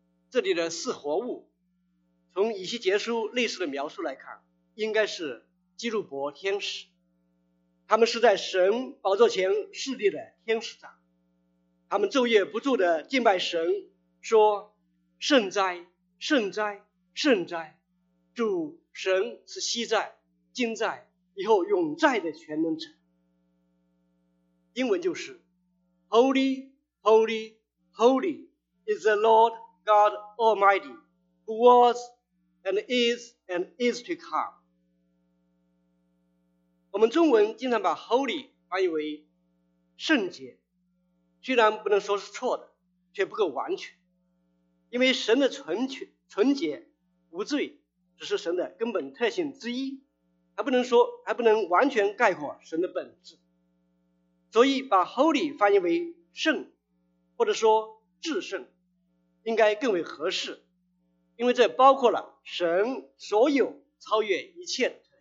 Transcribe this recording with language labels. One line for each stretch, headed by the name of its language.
Chinese: 这里的四活物，从以西结书类似的描述来看，应该是基路伯天使，他们是在神宝座前侍立的天使长，他们昼夜不住地敬拜神，说圣哉圣哉圣哉，主神是昔在、今在、以后永在的全能者。英文就是
English: Holy, Holy, Holy is the Lord God Almighty, who was and is to come。
Chinese: 我们中文经常把 holy 翻译为圣洁，虽然不能说是错的，却不够完全，因为神的纯洁无罪只是神的根本特性之一，还不能完全概括神的本质，所以把 holy 翻译为圣，或者说至圣，应该更为合适，因为这包括了神所有超越一切的。